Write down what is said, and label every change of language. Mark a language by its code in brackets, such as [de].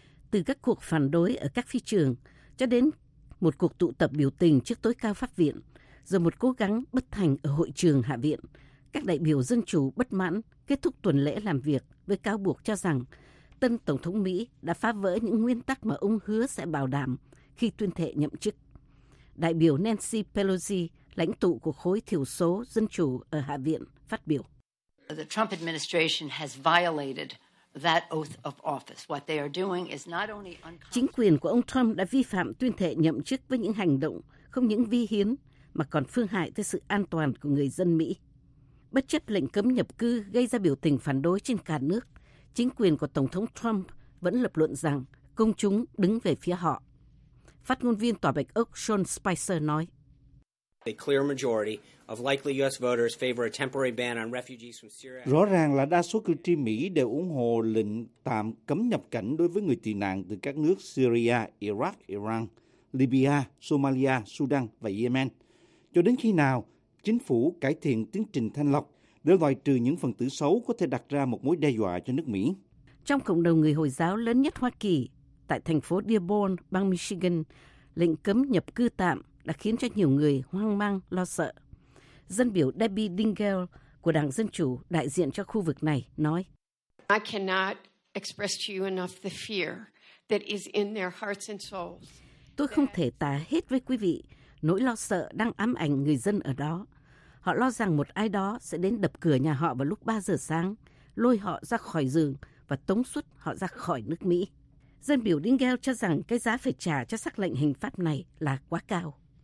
[vi] Từ các cuộc phản đối ở các phi trường cho đến một cuộc tụ tập biểu tình trước tối cao pháp viện, rồi một cố gắng bất thành ở hội trường Hạ viện, các đại biểu Dân Chủ bất mãn kết thúc tuần lễ làm việc với cáo buộc cho rằng tân Tổng thống Mỹ đã phá vỡ những nguyên tắc mà ông hứa sẽ bảo đảm khi tuyên thệ nhậm chức. Đại biểu Nancy Pelosi, lãnh tụ của khối thiểu số Dân Chủ ở Hạ viện, phát biểu. [en] The Trump administration has violated that oath of office. What they are doing is not only unconstitutional. [vi] Chính quyền của ông Trump đã vi phạm tuyên thệ nhậm chức với những hành động không những vi hiến mà còn phương hại tới sự an toàn của người dân Mỹ. Bất chấp lệnh cấm nhập cư gây ra biểu tình phản đối trên cả nước, chính quyền của Tổng thống Trump vẫn lập luận rằng công chúng đứng về phía họ. Phát ngôn viên Tòa Bạch Ốc Sean Spicer nói. Rõ ràng là đa số cử tri Mỹ đều ủng hộ lệnh tạm cấm nhập cảnh đối với người tị nạn từ các nước Syria, Iraq, Iran, Libya, Somalia, Sudan và Yemen. Cho đến khi nào chính phủ cải thiện tiến trình thanh lọc để loại trừ những phần tử xấu có thể đặt ra một mối đe dọa cho nước Mỹ. Trong cộng đồng người Hồi giáo lớn nhất Hoa Kỳ, tại thành phố Dearborn, bang Michigan, lệnh cấm nhập cư tạm đã khiến cho nhiều người hoang mang, lo sợ. Dân biểu Debbie Dingell của Đảng Dân Chủ đại diện cho khu vực này nói. [en] I cannot express to you enough the fear that is in their hearts and souls. [vi] Tôi không thể tả hết với quý vị nỗi lo sợ đang ám ảnh người dân ở đó. Họ lo rằng một ai đó sẽ đến đập cửa nhà họ vào lúc 3 giờ sáng, lôi họ ra khỏi giường và tống xuất họ ra khỏi nước Mỹ. Dân biểu Dingell cho rằng cái giá phải trả cho sắc lệnh hình pháp này là quá cao.